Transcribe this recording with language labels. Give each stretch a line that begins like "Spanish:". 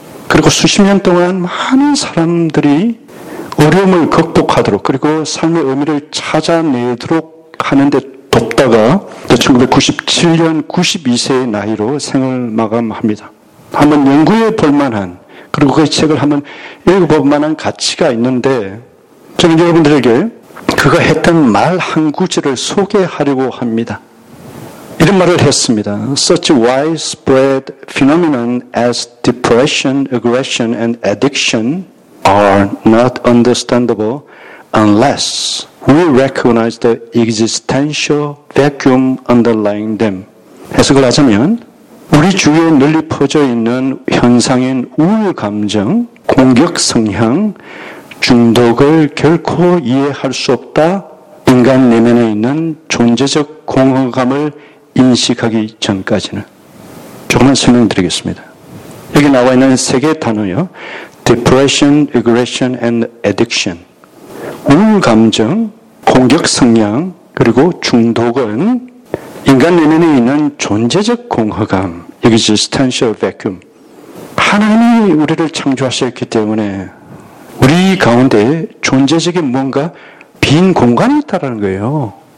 Korean: 그리고 수십 년 동안 많은 사람들이 어려움을 극복하도록 그리고 삶의 의미를 찾아내도록 하는데 돕다가 1997년 92세의 나이로 생을 마감합니다. 한번 연구해 볼 만한 그리고 그 책을 한번 읽어볼 만한 가치가 있는데 저는 여러분들에게 그가 했던 말 한 구절을 소개하려고 합니다. 이런 말을 했습니다.
English: Such widespread phenomenon as depression, aggression and addiction are not understandable unless we recognize the existential vacuum underlying them.
Korean: 해석을 하자면 우리 주위에 널리 퍼져 있는 현상인 우울 감정, 공격 성향, 중독을 결코 이해할 수 없다. 인간 내면에 있는 존재적 공허감을 인식하기 전까지는. 조금만 설명드리겠습니다. 여기 나와 있는 세 개의 단어요.
English: Depression, aggression, and addiction.
Korean: 우울 감정, 공격 성향, 그리고 중독은 인간 내면에 있는 존재적 공허감,
English: existential vacuum.
Korean: 하나님이 우리를 창조하셨기 때문에 우리 가운데 존재적인 뭔가 빈 공간이 있다는 거예요.